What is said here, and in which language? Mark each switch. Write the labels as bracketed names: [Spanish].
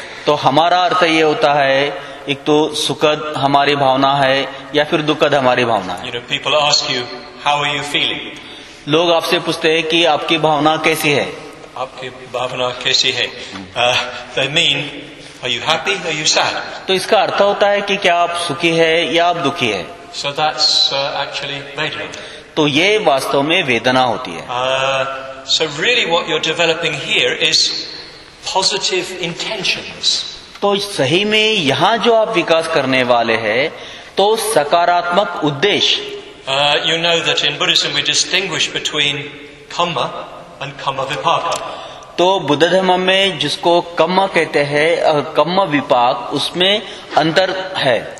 [Hindi] तो हमारा अर्थ ये होता है एक तो सुखद हमारी भावना है या फिर दुखद हमारी भावना है. [English] You know, people ask you, how are you feeling? [Hindi] लोग आपसे पूछते हैं कि आपकी भावना कैसी है. आपकी भावना कैसी है. [English] They mean, are you happy? Are you sad? [Hindi] तो इसका अर्थ होता है कि क्या आप सुखी है या आप दुखी है. [English] So that's actually vedana. [Hindi] तो ये वास्तव में वेदना होती है. [English] So really what you're developing here is positive intentions. [Hindi] तो सही में यहाँ जो आप विकास करने वाले हैं, तो सकारात्मक उद्देश्य. [English] You know that in Buddhism we distinguish between karma and karma vipaka. [Hindi] तो बुद्ध धर्म में जिसको कर्म कहते हैं, कर्म विपाक, उसमें अंतर है.